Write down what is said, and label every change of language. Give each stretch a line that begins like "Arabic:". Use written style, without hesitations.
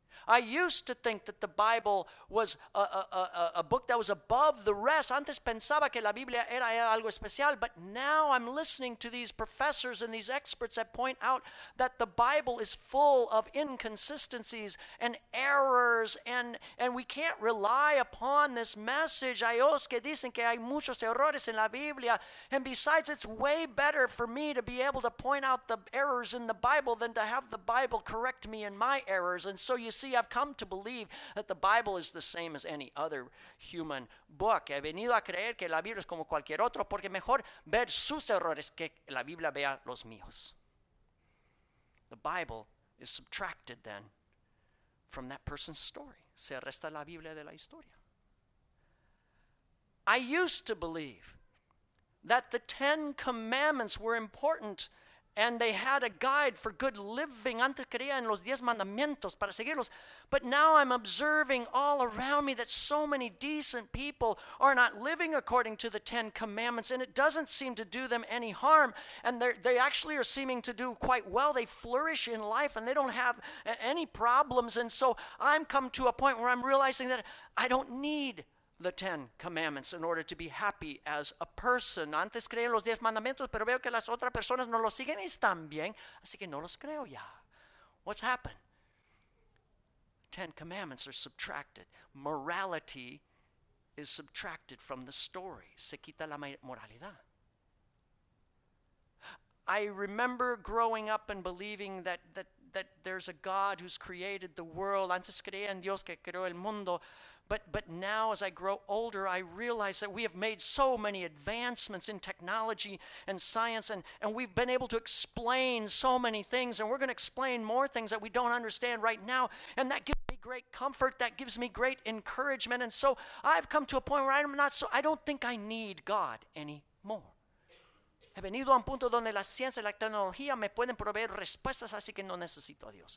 English: I used to think that the Bible was a book that was above the rest.
Spanish: Antes pensaba que la Biblia era algo especial,
English: but now I'm listening to these professors and these experts that point out that the Bible is full of inconsistencies and errors, and we can't rely upon this message.
Spanish: Hay otros que dicen que hay muchos errores en la Biblia,
English: and besides, it's way better for me to be able to point out the errors in the Bible than to have the Bible correct me in my errors. And so you see, I've come to believe that the Bible is the same as any other human book.
Spanish: He venido a creer que la Biblia es como cualquier otro, porque mejor ver sus errores que la Biblia vea los míos.
English: The Bible is subtracted then from that person's story.
Spanish: Se resta la Biblia de la historia.
English: I used to believe that the Ten Commandments were important and they had a guide for good living.
Spanish: Antes creía en los diez mandamientos para seguirlos.
English: But now I'm observing all around me that so many decent people are not living according to the Ten Commandments, and it doesn't seem to do them any harm. And they actually are seeming to do quite well. They flourish in life, and they don't have any problems. And so I'm come to a point where I'm realizing that I don't need the Ten Commandments in order to be happy as a person.
Spanish: Antes creía en los diez mandamientos, pero veo que las otras personas no los siguen y están bien, así que no los creo ya.
English: What's happened? Ten Commandments are subtracted. Morality is subtracted from the story.
Spanish: Se quita la moralidad.
English: I remember growing up and believing that there's a God who's created the world.
Spanish: Antes creía en Dios que creó el mundo.
English: But now as I grow older, I realize that we have made so many advancements in technology and science, and we've been able to explain so many things, and we're going to explain more things that we don't understand right now. And that gives me great comfort. That gives me great encouragement. And so I've come to a point where I don't think I need God anymore.
Spanish: He venido a un punto donde la ciencia y la tecnología me pueden proveer respuestas, así que no necesito a Dios.